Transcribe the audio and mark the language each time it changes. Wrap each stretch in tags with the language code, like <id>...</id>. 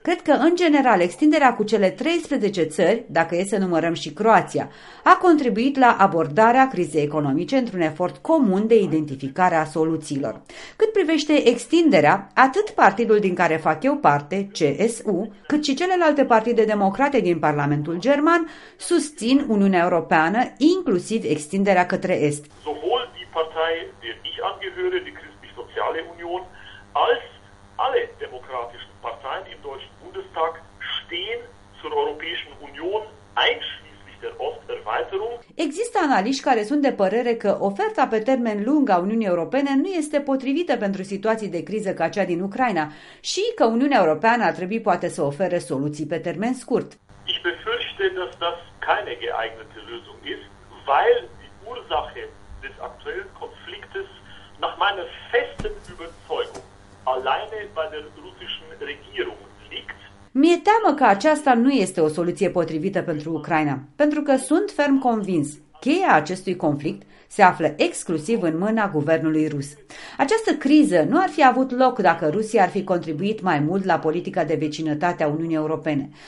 <ro>Cred că, în general, extinderea cu cele 13 țări, dacă e să numărăm și Croația, a contribuit la abordarea crizei economice într-un efort comun de identificare a soluțiilor. Cât privește extinderea, atât partidul din care fac eu parte, CSU, cât și celelalte partide democrate din Parlamentul German susțin Uniunea Europeană, inclusiv extinderea către Est.</ro> <de>Sowohl die Partei, der ich angehöre, die Christlich-Soziale Union, als alle demokratischen Parteien im Deutschen Bundestag stehen zur Europäischen Union einschließlich.</de> <ro>Există analiști care sunt de părere că oferta pe termen lung a Uniunii Europene nu este potrivită pentru situații de criză ca cea din Ucraina și că Uniunea Europeană ar trebui poate să ofere soluții pe termen scurt.</ro> <de>Ich befürchte, dass das keine geeignete Lösung ist, weil die Ursache des aktuellen Konfliktes nach meiner festen Überzeugung alleine bei der russischen Regierung.</de> <ro>Mi-e teamă că aceasta nu este o soluție potrivită pentru Ucraina, pentru că sunt ferm convins cheia acestui conflict se află exclusiv în mâna guvernului rus. Această criză nu ar fi avut loc dacă Rusia ar fi contribuit mai mult la politica de vecinătate a Uniunii Europene.</ro>